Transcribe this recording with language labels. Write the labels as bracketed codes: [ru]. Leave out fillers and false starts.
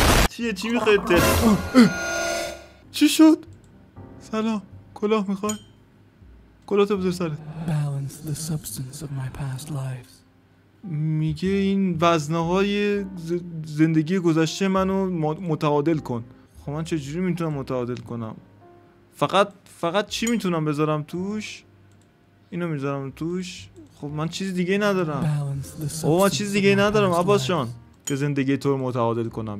[fa] چیه چی میخواید تل؟ چی شد؟ سلام کلاه میخوای؟ کلاهتو بذار سرت. [en] Balance the substance of my past lives. [fa] میگه این وزنه های زندگی گذشته منو متعادل کن. خب من چجوری میتونم متعادل کنم؟ فقط چی میتونم بذارم توش؟ اینو میذارم توش. خب من چیز دیگه ندارم. خب من چیز دیگه ندارم عباس جان که زندگی تو رو متعادل کنم.